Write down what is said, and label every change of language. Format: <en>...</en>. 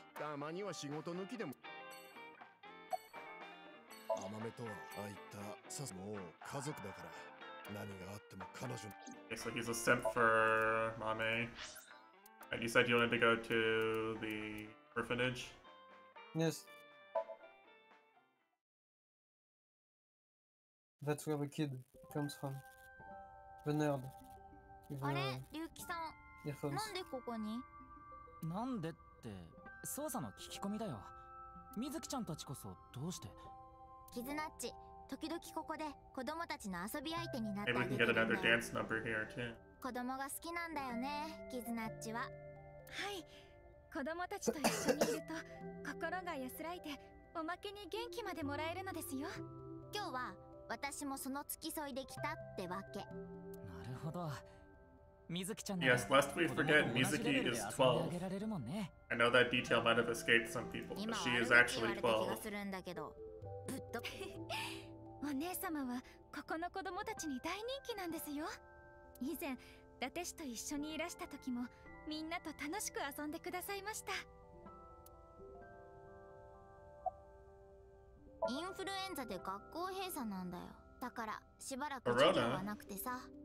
<ja>たまには仕事抜きでも。甘めとはああいったさすもう家族だから何があっても彼女。</ja> <en>Okay, so he's a simp for Mame. And you said you wanted to go to the orphanage. Yes. That's where the kid comes from. The nerd.</en> <ja>あれ、リュウキさん。なんでここに？なんでって捜査の聞き込みだよ。みずきちゃんたちこそどうして？キズナッチ、時々ここで子供たちの遊び相手になってあげるね。</ja> <en>Maybe we can get another dance number here too.</en> <ja>子供が好きなんだよね、キズナッチは。はい、子供たちと一緒にいると心が安らいで、おまけに元気までもらえるのですよ。今日は私もその付き添いで来たってわけ。なるほど。</ja> <en>Yes, lest we forget, Mizuki is 12. I know that detail might have escaped some people, but she is actually 12.</en> <ja>お姉様はここの子供たちに大人気なんですよ。以前、伊達氏と一緒にいらした時も、みんなと楽しく遊んでくださいました。インフルエンザで学校閉鎖なんだよ。だから、しばらく授業はなくてさ。</ja>